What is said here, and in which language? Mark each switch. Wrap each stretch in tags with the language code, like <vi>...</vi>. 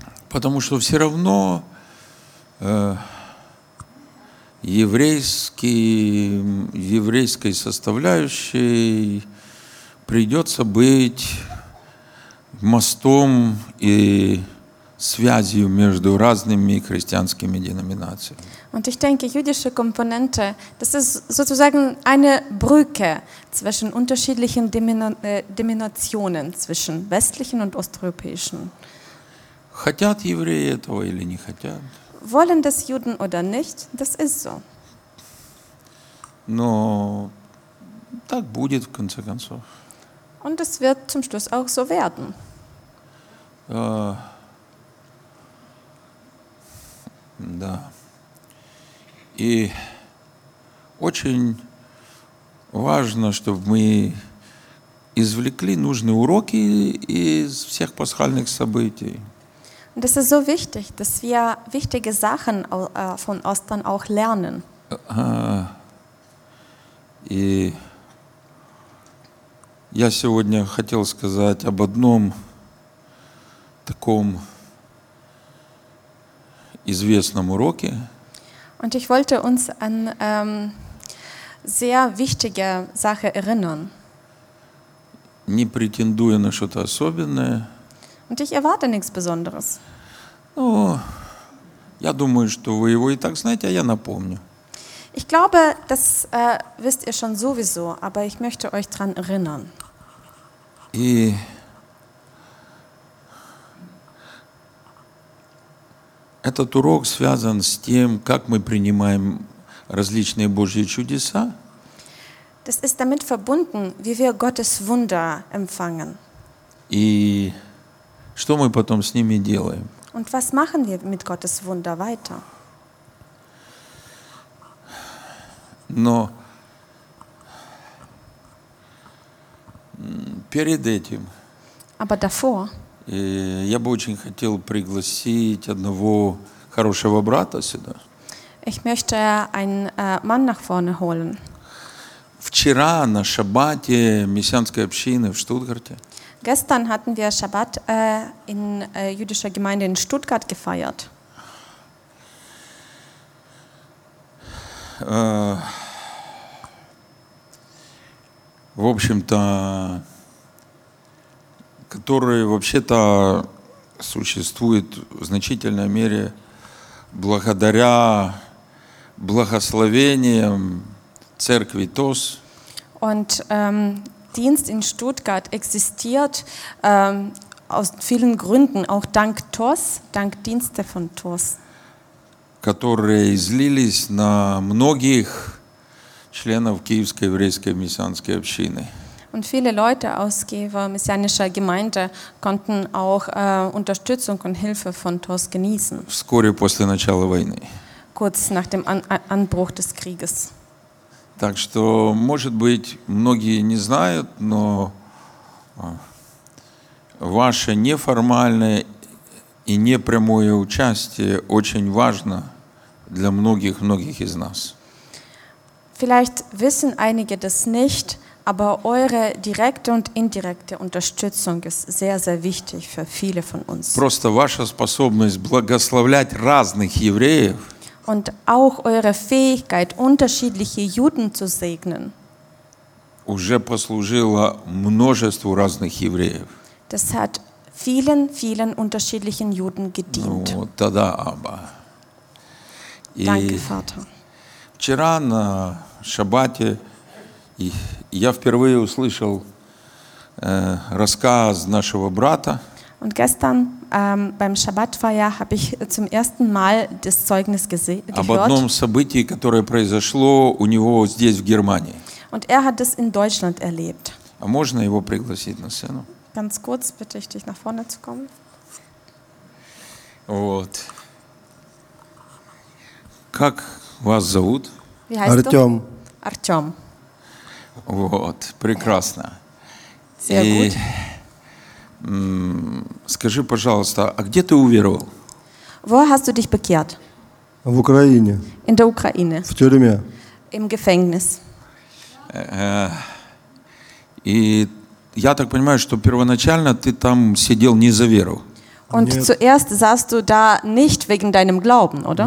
<ru>Потому что все равно еврейской составляющей придется быть мостом и связью между разными христианскими деноминациями.</ru> <de>Und ich denke, jüdische Komponente, das ist sozusagen eine Brücke zwischen unterschiedlichen Dimensionen, zwischen westlichen und osteuropäischen.</de> <ru>Хотят евреи этого или не хотят?</ru> <de>Wollen das Juden oder nicht? Das ist so.</de> <ru>Но так будет в конце концов.</ru> <de>Und es wird zum Schluss auch so werden.</de> <ru>Да. И очень важно, чтобы мы извлекли нужные уроки из всех пасхальных событий.</ru> <de>Das ist so wichtig, dass wir wichtige Sachen von Ostern auch lernen.</de> <ru>И я сегодня хотел сказать об одном таком известном уроке.</ru> <de>Und ich wollte uns an sehr wichtige Sache erinnern.</de> <ru>Не претендуя на что-то особенное.</ru> <de>Und ich erwarte nichts Besonderes.</de> <ru>Ну, я думаю, что вы его и так знаете, а я напомню.</ru> <de>Ich glaube, das wisst ihr schon sowieso, aber ich möchte euch dran erinnern.</de> <ru>И этот урок связан с тем, как мы принимаем различные Божьи чудеса.</ru> <de>Das ist damit verbunden, wie wir Gottes Wunder empfangen.</de> <ru>И что мы потом с ними делаем?</ru> <de>Und was machen wir mit Gottes Wunder weiter?</de> <ru>Но перед этим.</ru> <de>Aber davor.</de> <ru>Я бы очень хотел пригласить одного хорошего брата сюда.</ru> <de>Ich möchte einen Mann nach vorne holen.</de> <ru>Вчера на Шаббате мессианской общины в Штутгарте.</ru> <de>Gestern hatten wir Schabbat in jüdischer Gemeinde in Stuttgart gefeiert.</de> <ru>В общем-то, который вообще-то существует в значительной мере благодаря благословениям церкви ТОС.</ru> <de>Und Dienst in Stuttgart existiert aus vielen Gründen, auch dank ТОС, dank Dienste von ТОС.</de> <ru>Которые излились на многих членов Киевской еврейской мессианской общины.</ru> <de>Und viele Leute aus Kiewer messianischer Gemeinde konnten auch Unterstützung und Hilfe von ТОС genießen.</de> <ru>Вскоре после начала войны.</ru> <de>Kurz nach dem Anbruch des Krieges.</de> <ru>Так что, может быть, многие не знают, но ваше неформальное и непрямое участие очень важно для многих-многих из нас.</ru> <de>Vielleicht wissen einige das nicht, aber eure direkte und indirekte Unterstützung ist sehr, sehr wichtig für viele von uns.</de> <ru>Просто ваша способность благословлять разных евреев.</ru> <de>Und auch eure Fähigkeit, unterschiedliche Juden zu segnen.</de> <ru>Уже послужило множеству разных евреев.</ru> <de>Das hat vielen, vielen unterschiedlichen Juden gedient.</de> <ru>Ну, тогда, Аба.</ru> <de>Danke, Vater.</de> <ru>Вчера на Шабате я впервые услышал рассказ нашего брата.</ru> <de>Und gestern beim Schabbatfeier habe ich zum ersten Mal das Zeugnis gehört.</de> <ru>Об одном событии, которое произошло у него здесь в Германии.</ru> <de>Und er hat es in Deutschland erlebt.</de> <ru>А можно его пригласить на сцену?</ru> <de>Ganz kurz bitte ich dich nach vorne zu kommen.</de> <ru>Вот. Как вас зовут? Артём. Артём. Вот, прекрасно.</ru> <de>Sehr gut.</de> <ru>Скажи, пожалуйста, а где ты уверовал?</ru> <de>Wo hast du dich bekehrt?</de> <ru>В Украине.</ru> <de>In der Ukraine.</de> <ru>В тюрьме.</ru> <de>Im Gefängnis.</de> <ru>И я так понимаю, что первоначально ты там сидел не за веру.</ru> <de>Und</de> <ru>Нет.</ru> <de>zuerst saßt du da nicht wegen deinem Glauben, oder?</de>